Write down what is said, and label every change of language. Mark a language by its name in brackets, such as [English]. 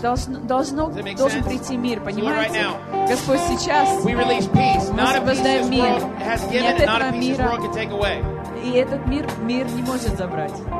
[Russian] Должен прийти мир, понимаете? [English] So right now, [Russian] Господь, сейчас [English] we release peace, not a peace this world has given, and not a peace this world can take away. [Russian] И этот мир, мир не может забрать.